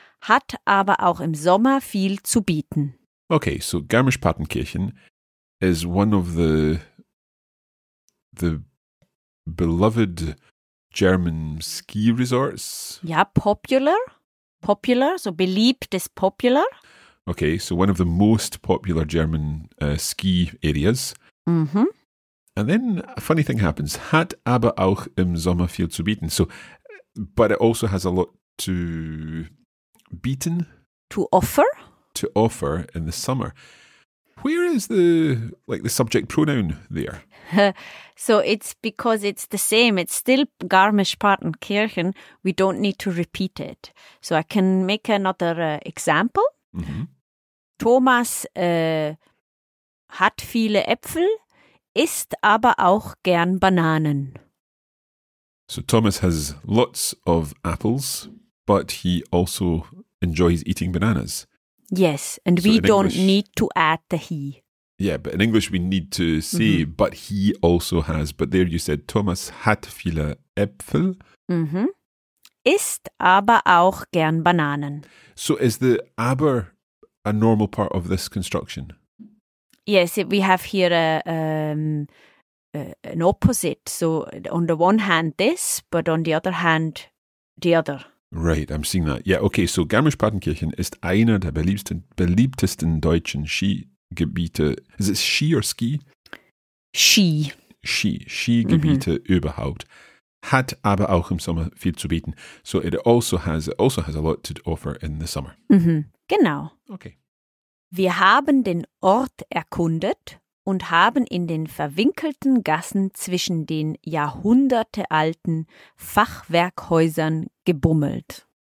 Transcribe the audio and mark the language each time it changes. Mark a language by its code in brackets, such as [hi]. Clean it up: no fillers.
[de] Hat aber auch im Sommer viel zu bieten. [en] Okay, so Garmisch-Partenkirchen is one of the beloved German ski resorts. [de] Ja, [en] popular. Popular, so [de] beliebt ist [en] popular. Okay, so one of the most popular German ski areas. Mhm. And then a funny thing happens. [de] Hat aber auch im Sommer viel zu bieten. [en] So, but it also has a lot to... Beaten? To offer? To offer in the summer. Where is the, like, the subject pronoun there? So it's because it's the same. It's still Garmisch-Partenkirchen. We don't need to repeat it. So I can make another example. Mm-hmm. [de] Thomas hat viele Äpfel, isst aber auch gern Bananen. [en] So Thomas has lots of apples, but he also... enjoys eating bananas. Yes, and so we don't English, need to add the he. Yeah, but in English we need to say, mm-hmm. but he also has. But there you said, [de] Thomas hat viele Äpfel. Mm-hmm. Isst aber auch gern Bananen. [en] So is the aber a normal part of this construction? Yes, we have here an opposite. So on the one hand this, but on the other hand the other. Right, I'm seeing that. Yeah, okay, so [de] Garmisch-Partenkirchen ist einer der beliebtesten deutschen Skigebiete. [en] Is it Ski or Ski? Ski. [de] Ski. Skigebiete mm-hmm. überhaupt. Hat aber auch im Sommer viel zu bieten. [en] So it also has a lot to offer in the summer. [de] Mm-hmm. Genau. [en] Okay. [de] Wir haben den Ort erkundet und haben in den verwinkelten Gassen zwischen den jahrhundertealten Fachwerkhäusern gebummelt.